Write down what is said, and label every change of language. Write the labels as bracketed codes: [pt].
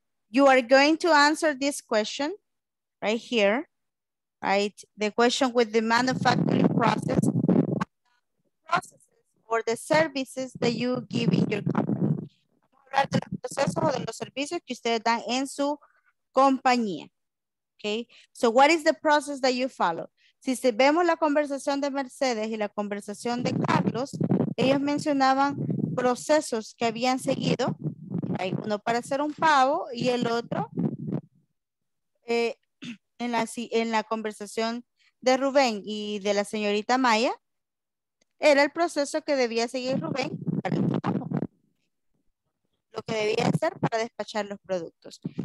[en] You are going to answer this question right here, right? The question with the manufacturing process, processes or the services that you give in your company. [es] Vamos a hablar de los procesos o de los servicios que ustedes dan en su compañía. [en] Okay. So what is the process that you follow? [es] Si vemos la conversación de Mercedes y la conversación de Carlos, ellos mencionaban procesos que habían seguido. Hay uno para hacer un pavo y el otro en la conversación de Rubén y de la señorita Maya era el proceso que debía seguir Rubén para el pavo, lo que debía hacer para despachar los productos.